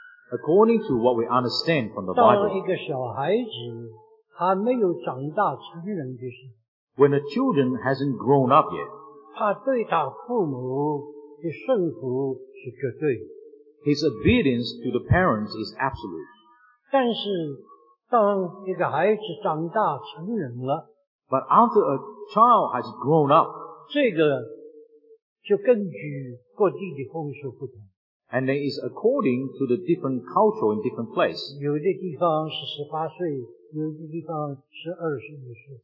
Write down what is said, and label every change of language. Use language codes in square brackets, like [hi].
[en] according to what we understand from the Bible, [zh] 当一个小孩子, 还没有长大成人的时, [en] when a children hasn't grown up yet, [zh] 他对他父母的顺服是绝对, [en] his obedience to the parents is absolute. [zh] 但是当一个孩子长大成人了, [en] but after a child has grown up, [zh] 这个就根据 各地的风俗不同, [en] and then it's according to the different culture in different places. [zh] 有的地方是18岁, 有的地方是21岁,